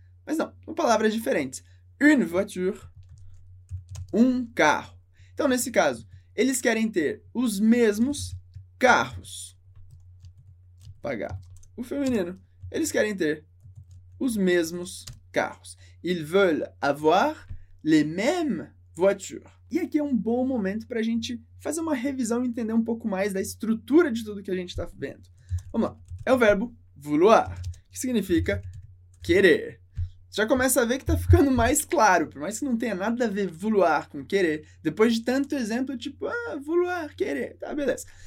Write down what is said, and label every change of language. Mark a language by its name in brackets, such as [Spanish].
[Portuguese] Mas não, são palavras diferentes. [French] Une voiture, [Portuguese] um carro. Então, nesse caso, eles querem ter os mesmos carros. Pagar o feminino. Eles querem ter os mesmos carros. [French] Ils veulent avoir les mêmes voitures. [Portuguese] E aqui é um bom momento para a gente fazer uma revisão e entender um pouco mais da estrutura de tudo que a gente está vendo. Vamos lá. É o verbo vouloir, que significa querer. já começa a ver que tá ficando mais claro, por mais que não tenha nada a ver voluar com querer, depois de tanto exemplo, tipo, ah, voluar, querer, tá, beleza.